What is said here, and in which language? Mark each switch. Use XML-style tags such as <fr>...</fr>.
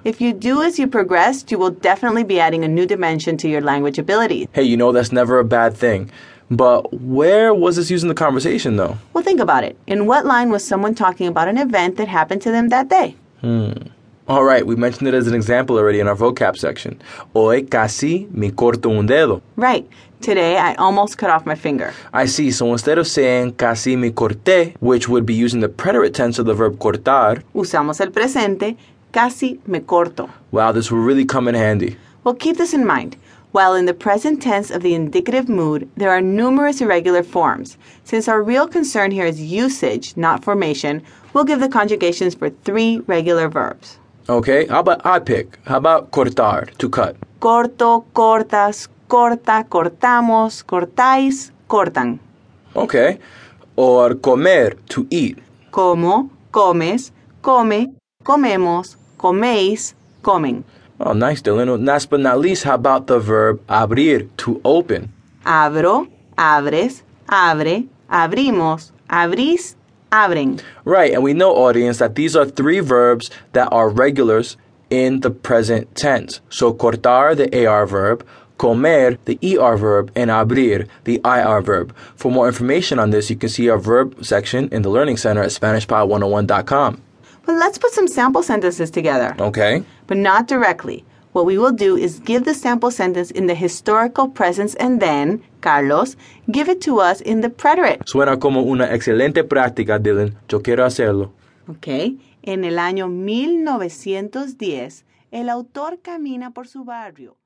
<en>If you do as you progress, you will definitely be adding a new dimension to your language ability. Hey, you know, that's never a bad thing. But where was this used in the conversation, though? Well, think about it. In what line was someone talking about an event that happened to them that day? All right, we mentioned it as an example already in our vocab section.</en> <es>Hoy casi me corto un dedo.</es> <en>Right. Today, I almost cut off my finger. I see. So instead of saying</en> <es>casi me corté,</es> <en>which would be using the preterite tense of the verb cortar,</en> <es>usamos el presente, casi me corto.</es> <en>Wow, this will really come in handy. Well, keep this in mind. While in the present tense of the indicative mood, there are numerous irregular forms. Since our real concern here is usage, not formation, we'll give the conjugations for 3 regular verbs. Okay, how about I pick? How about cortar, to cut?</en> <es>Corto, cortas, corta, cortamos, cortáis, cortan.</es> <en>Okay, or comer, to eat.</en> <es>Como, comes, come, comemos, coméis, comen.</es> <en>Oh, nice, Dylan. Last but not least, how about the verb abrir, to open?</en> <es>Abro, abres, abre, abrimos, abrís, abren.</es> <en>Right, and we know, audience, that these are 3 verbs that are regulars in the present tense. So cortar, the AR verb, comer, the ER verb, and abrir, the IR verb. For more information on this, you can see our verb section in the Learning Center at SpanishPod101.com. But let's put some sample sentences together. Okay. But not directly. What we will do is give the sample sentence in the historical present and then, Carlos, give it to us in the preterite.</en> <es>Suena como una excelente práctica, Dylan. Yo quiero hacerlo.</es> <en>Okay.</en> <es>En el año 1910, el autor camina por su barrio.</es>